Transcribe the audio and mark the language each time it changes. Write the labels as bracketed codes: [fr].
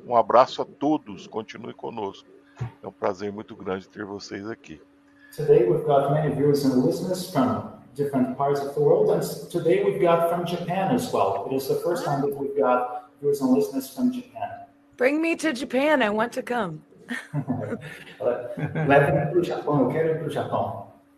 [pt] Um abraço a todos, continue conosco. É um prazer muito grande ter vocês aqui. [en] Today we've got many viewers and listeners from different parts of the world, and today we've got from Japan as well. It is the first time that we've got viewers and listeners from Japan. Bring me to Japan, I want to come. [pt] Leve me para o Japão, eu quero ir para o Japão.